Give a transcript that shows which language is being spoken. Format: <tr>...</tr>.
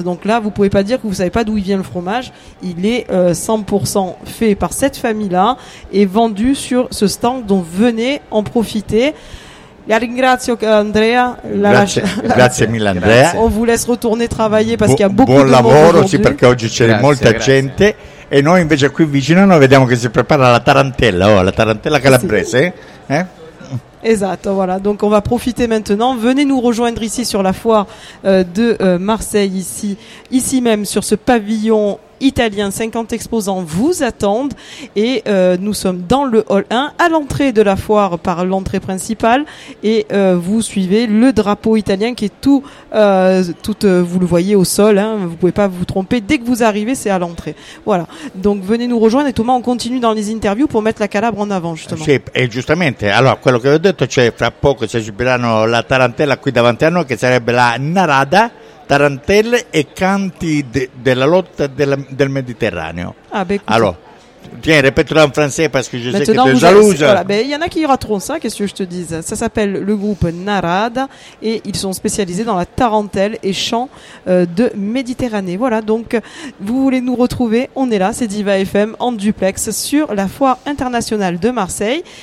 <fr>Donc là, vous pouvez pas dire que vous savez pas d'où il vient le fromage. Il est 100% fait par cette famille-là et vendu sur ce stand. Donc venez en profiter.</fr> <it>La ringrazio Andrea. Grazie mille Andrea.</it> <fr>On vous laisse retourner travailler parce qu'il y a beaucoup</fr> <it>bon</it> <fr>de</fr> <it>lavoro,</it> <fr>monde aujourd'hui.</fr> <it>Bon lavoro, sì, perché oggi c'è molta gente. E noi invece qui vicino noi vediamo che si prepara la tarantella, oh, la tarantella calabrese. Esatto,</it> <fr>voilà. Donc on va profiter maintenant. Venez nous rejoindre ici sur la foire de Marseille, ici même sur ce pavillon italien. 50 exposants vous attendent et nous sommes dans le hall 1 à l'entrée de la foire par l'entrée principale et vous suivez le drapeau italien qui est tout vous le voyez au sol, hein, vous pouvez pas vous tromper, dès que vous arrivez c'est à l'entrée, voilà, donc venez nous rejoindre et Thomas on continue dans les interviews pour mettre la Calabre en avant justement.</fr> <it>Sì, e giustamente,</it> <fr>alors</fr> <it>quello che ho detto c'è fra poco si esibiranno la tarantella qui davanti a noi che sarebbe la Narada. Tarantelle e canti della lotta del Mediterraneo.</it> <fr>Ah, beh, écoute. Alors, tiens, répète-le en français parce que je sais maintenant que tu es jalouse. Voilà, ben, il y en a qui rateront ça, qu'est-ce que je te dis. Ça s'appelle le groupe Narada et ils sont spécialisés dans la tarantelle et chants de Méditerranée. Voilà, donc, vous voulez nous retrouver, on est là, c'est Diva FM en duplex sur la foire internationale de Marseille.</fr>